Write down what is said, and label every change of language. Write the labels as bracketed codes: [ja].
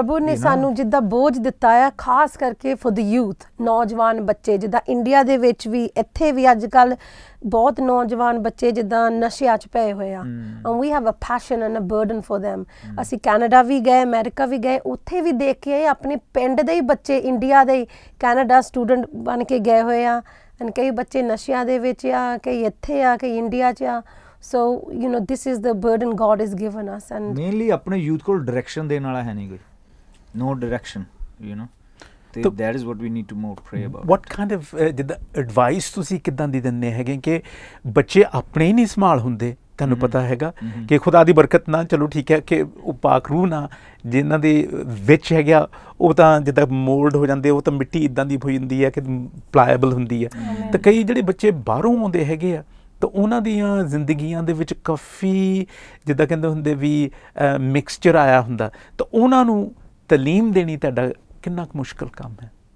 [pa] ਪ੍ਰਭੂ ਨੇ ਸਾਨੂੰ ਜਿੱਦਾਂ ਬੋਝ ਦਿੱਤਾ ਆ ਖਾਸ ਕਰਕੇ ਫੋਰ ਦੀ ਯੂਥ ਨੌਜਵਾਨ ਬੱਚੇ ਜਿੱਦਾਂ ਇੰਡੀਆ ਦੇ ਵਿੱਚ ਵੀ ਇੱਥੇ ਵੀ ਅੱਜ ਕੱਲ੍ਹ ਬਹੁਤ ਨੌਜਵਾਨ ਬੱਚੇ ਜਿੱਦਾਂ ਨਸ਼ਿਆਂ 'ਚ ਪਏ ਹੋਏ ਆ [en] we have a passion and a burden for them [pa] ਅਸੀਂ ਕੈਨੇਡਾ ਵੀ ਗਏ ਅਮੈਰੀਕਾ ਵੀ ਗਏ ਉੱਥੇ ਵੀ ਦੇਖ ਕੇ ਆਪਣੇ ਪਿੰਡ ਦੇ ਹੀ ਬੱਚੇ ਇੰਡੀਆ ਦੇ ਹੀ ਕੈਨੇਡਾ ਸਟੂਡੈਂਟ ਬਣ ਕੇ ਗਏ ਹੋਏ ਆ ਐਂਡ ਕਈ ਬੱਚੇ ਨਸ਼ਿਆਂ ਦੇ ਵਿੱਚ ਆ ਕਈ ਇੱਥੇ ਆ ਕਈ ਇੰਡੀਆ 'ਚ ਆ [en] So, you know, this is the burden God has given us. And [hi] mainly, apne youth ko direction dene wala hai nahi koi. [en] No direction, you know. So, that is what we need to more pray about. What kind of advice [pa] tusi kiddan di dinne hage ke bacche apne hi sambhal hunde ਤੁਹਾਨੂੰ ਪਤਾ ਹੈਗਾ ਕਿ ਖੁਦਾ ਦੀ ਬਰਕਤ ਨਾ ਚਲੋ ਠੀਕ ਹੈ ਕਿ ਉਹ ਪਾਕ ਰੂਹ ਨਾ ਜਿਹਨਾਂ ਦੇ ਵਿੱਚ ਹੈਗਾ ਉਹ ਤਾਂ ਜਿੱਦਾਂ ਮੋਲਡ ਹੋ ਜਾਂਦੇ ਉਹ ਤਾਂ ਮਿੱਟੀ ਇੱਦਾਂ ਦੀ ਹੋ ਜਾਂਦੀ ਹੈ ਕਿ ਪਲਾਇਬਲ ਹੁੰਦੀ ਹੈ ਤਾਂ ਕਈ ਜਿਹੜੇ ਬੱਚੇ ਬਾਹਰੋਂ ਆਉਂਦੇ ਹੈਗੇ ਆ ਤਾਂ ਉਹਨਾਂ ਦੀਆਂ ਜ਼ਿੰਦਗੀਆਂ ਦੇ ਵਿੱਚ ਕਾਫੀ ਜਿੱਦਾਂ ਕਹਿੰਦੇ ਹੁੰਦੇ ਵੀ ਮਿਕਸਚਰ ਆਇਆ ਹੁੰਦਾ ਤਾਂ ਉਹਨਾਂ ਨੂੰ ਤਾਲੀਮ ਦੇਣੀ ਤੁਹਾਡਾ ਕਿੰਨਾ ਕੁ ਮੁਸ਼ਕਲ ਕੰਮ ਹੈ